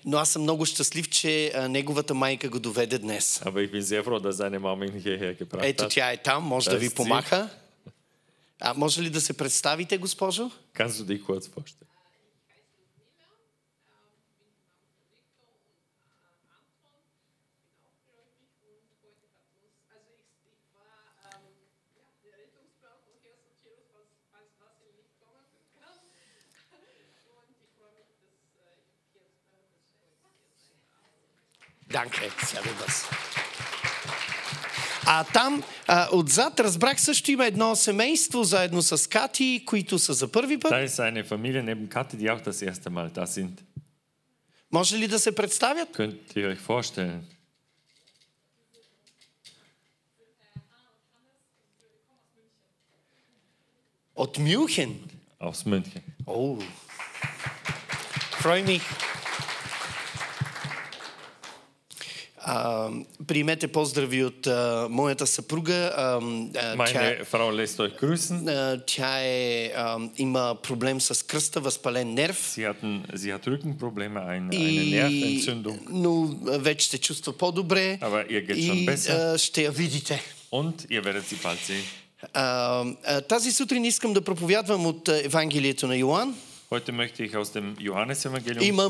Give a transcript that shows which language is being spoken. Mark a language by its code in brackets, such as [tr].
[bg] Но аз съм много щастлив, че неговата майка го доведе днес. [de] Aber ich bin sehr froh, dass seine Mama ihn hierher gebracht hat. [bg] Ето тя е там, може da да ви помаха. А може ли да се представите, госпожо? [de] Kannst du dich kurz vorstellen? Danke, servus. [bg] А там, отзад разбрах също има едно семейство заедно с Кати, които са за първи път. [de] Da ist eine Familie neben Kati, die auch das erste Mal da sind. [bg] Може ли да се представят? [de] Könnt ihr euch vorstellen? [bg] От Мюнхен. [de] Aus München. Oh. Freue mich. [bg] Приемете поздрави от моята съпруга. [de] Frau lässt euch grüßen. [bg] Тя е, има проблем с кръста, възпален нерв. [de] Sie hat Rückenprobleme, eine Nerventzündung. [bg] Но вече се чувства по-добре. [de] Aber ihr geht schon besser. [bg] Ще я видите. [de] Und ihr werdet sie bald sehen. [bg] Тази сутрин искам да проповядвам от Евангелието на Йоан. [de] Heute möchte ich aus dem Johannesevangelium